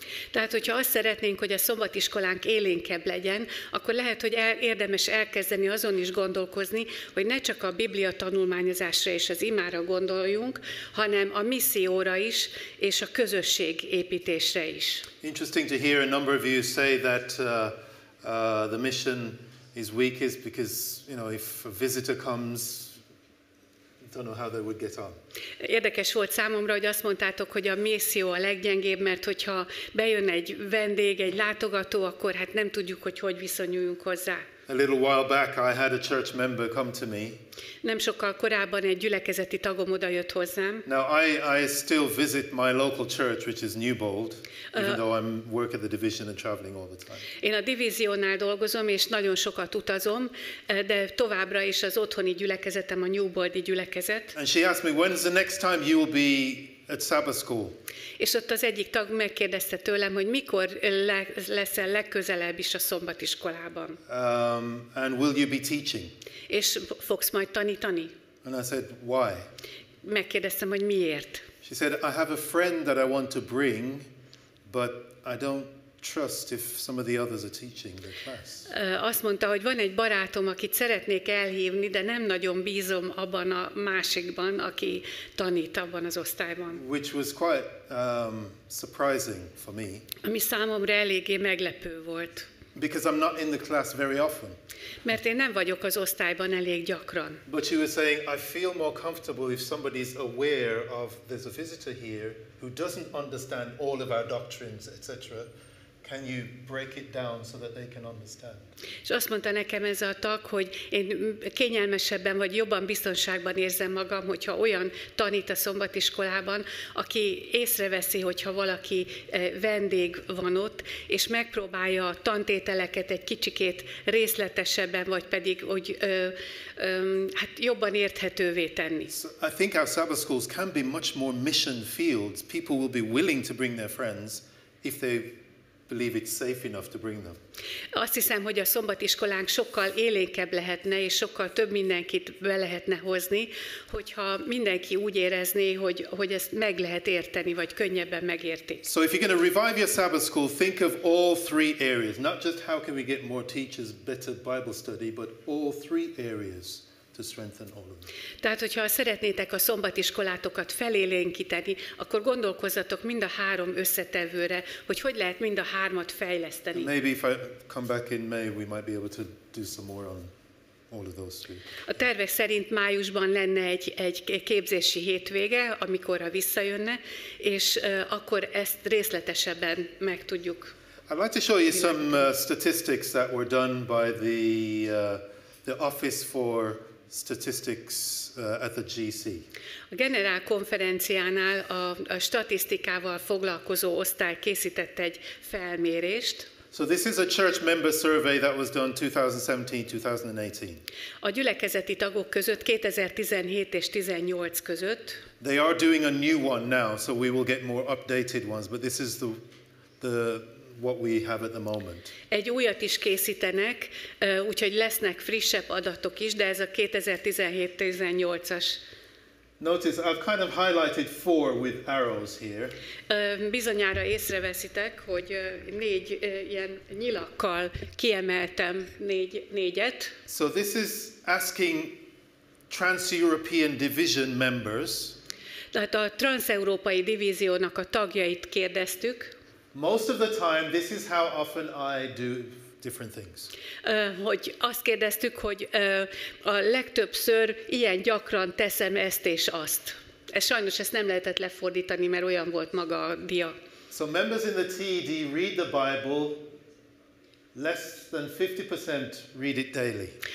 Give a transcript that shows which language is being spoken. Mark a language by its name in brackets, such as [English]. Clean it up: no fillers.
[Hungarian] Tehát, hogyha azt szeretnénk, hogy a szombatiskolánk élénkebb legyen, akkor lehet, hogy érdemes elkezdeni azon is gondolkozni, hogy ne csak a Biblia tanulmányozásra és az imára gondoljunk, hanem a misszióra is és a közösség építésre is. [English] Interesting to hear a number of you say that the mission is weakest because, you know, if a visitor comes. Don't know how they would get on. [Hungarian] Érdekes volt számomra, hogy azt mondtátok, hogy a misszió a leggyengébb, mert hogyha bejön egy vendég, egy látogató, akkor hát nem tudjuk, hogy viszonyuljunk hozzá. [English] A little while back I had a church member come to me. [Hungarian] Nem sokkal korábban egy gyülekezeti tagom oda jött hozzám. [English] Now I still visit my local church, which is Newbold, even though I'm work at the division and traveling all the time. [Hungarian] Én a divíziónál dolgozom és nagyon sokat utazom, de továbbra is az otthoni gyülekezetem a Newboldi gyülekezet. [English] And she asked me, when is the next time you will be at Sabbath school? [Hungarian] És ott az egyik tag megkérdezte tőlem, hogy mikor leszel legközelebb is a szombatiskolában. [English] And will you be teaching? [Hungarian] És fogsz majd tanítani? [English] And I said, why? [Hungarian] Megkérdeztem, hogy miért. [English] She said, I have a friend that I want to bring, but I don't trust if some of the others are teaching the class. [Hungarian] Azt mondta, hogy van egy barátom, akit szeretnék elhívni, de nem nagyon bízom abban a másikban, aki tanít abban az osztályban. [English] Which was quite surprising for me. [Hungarian] Ami számomra eléggé meglepő volt. [English] Because I'm not in the class very often. [Hungarian] Mert én nem vagyok az osztályban elég gyakran. [English] But she was saying, I feel more comfortable if somebody's aware of there's a visitor here who doesn't understand all of our doctrines, etc. Can you break it down so that they can understand? [Hungarian] És azt mondta nekem ez a tag, hogy én kényelmesebben vagy jobban biztonságban érzem magam, hogyha olyan tanít a szombatiskolában, aki észreveszi, hogyha valaki vendég van ott, és megpróbálja a tantételeket egy kicsikét részletesebben, vagy pedig hogy hát jobban érthetővé tenni. [English] So I think our Sabbath schools can be much more mission fields. People will be willing to bring their friends if they believe it's safe enough to bring them. [Hungarian] Azt hiszem, hogy a szombatiskolánk sokkal élénkebb lehetne, és sokkal több mindenkit be lehetne hozni, hogyha mindenki úgy érezné, hogy ezt meg lehet érteni, vagy könnyebben megérti. [English] So if you're going to revive your Sabbath school, think of all three areas. Not just how can we get more teachers, better Bible study, but all three areas. To strengthen all of them. [Hungarian] Tehát, hogyha szeretnétek a szombatiskolátokat felélénkíteni, akkor gondolkozzatok mind a három összetevőre, hogy hogyan lehet mind a hármat fejleszteni. [English] Maybe if I come back in May, we might be able to do some more on all of those three. [Hungarian] A tervek szerint májusban lenne egy képzési hétvége, amikor a visszajönne, és akkor ezt részletesebben megtudjuk. [English] I'd like to show you some statistics that were done by the Office for Statistics at the GC. [Hungarian] A generál konferenciánál a statisztikával foglalkozó osztály készített egy felmérést. [English] So this is a church member survey that was done 2017-2018. [Hungarian] A gyülekezeti tagok között 2017 és 18 között. [English] They are doing a new one now, so we will get more updated ones, but this is the what we have at the moment. [Hungarian] Egy újat is készítenek, úgyhogy lesznek frissebb adatok is, de ez a 2017-18-as. [English] Notice I've kind of highlighted four with arrows here. [Hungarian] Bizonyára észreveszitek, hogy négy ilyen nyilakkal kiemeltem négyet. [English] So this is asking trans-European division members. [Hungarian] Tehát a trans-európai divíziónak a tagjait kérdeztük. [English] Most of the time, this is how often I do different things. [Hungarian] Hogy azt kérdeztük, hogy a legtöbbször ilyen gyakran teszem ezt és azt. Ez sajnos ezt nem lehetett lefordítani, mert olyan volt maga a dia. [English] So members in the TED read the Bible, less than 50% read it daily.